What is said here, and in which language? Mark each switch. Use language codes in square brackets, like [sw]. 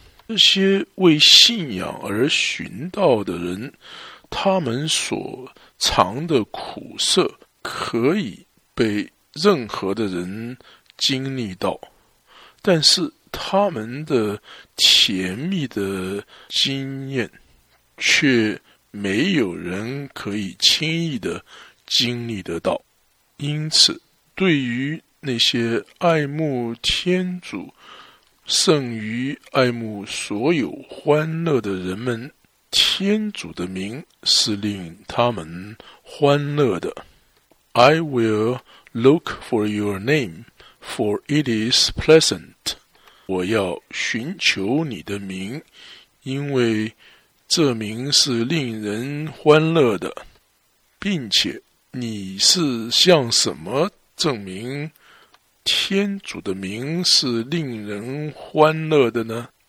[zh] 这些为信仰而寻道的人，他们所藏的苦涩可以被任何的人经历到，但是他们的甜蜜的经验却没有人可以轻易的经历得到。因此对于那些爱慕天主胜于爱慕所有欢乐的人们，天主的名是令他们欢乐的。 [en] I will look for your name, for it is pleasant. [zh] 我要寻求你的名，因为这名是令人欢乐的。并且你是向什么证明天主的名是令人欢乐的呢？